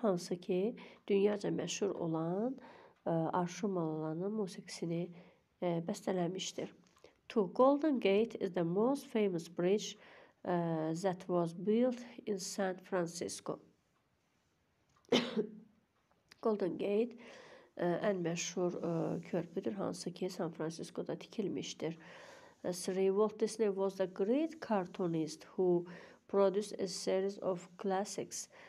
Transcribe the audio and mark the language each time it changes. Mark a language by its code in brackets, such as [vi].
[az] Hansı ki, dünyaca məşhur olan Arşiv Malalanın musiqisini bəstələmişdir. [en] To Golden Gate is the most famous bridge that was built in San Francisco. [az] Golden Gate ən məşhur körpüdür, hansı ki San Francisco'da tikilmişdir. [en] Sri Walt Disney was a great cartoonist who produced a series of classics.